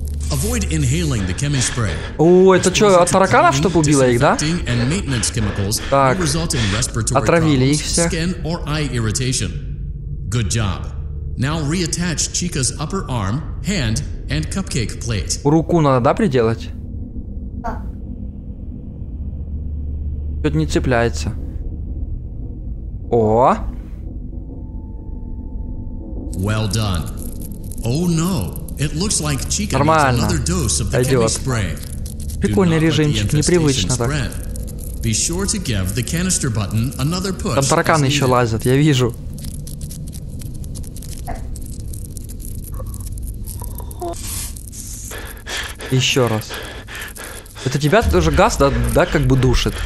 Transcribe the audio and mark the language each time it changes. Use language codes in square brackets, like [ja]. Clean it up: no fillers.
[en] Avoid inhaling the chemical spray. [ru] О, это что, от тараканов, чтобы убило их, да? Так, отравили их всех. [en] Good job. Now reattach Chica's upper arm, hand, and cupcake plate. [ru] Руку надо, да, приделать? Что-то не цепляется. О! [en] Well done. Oh no. It looks like Chica needs another dose of the chemi spray. [ru] Прикольный режимчик, непривычно так. [en] Be sure to give the canister button another push. [ru] Там тараканы еще лазят, я вижу. Еще раз. Это тебя тоже газ, да, да, как бы душит.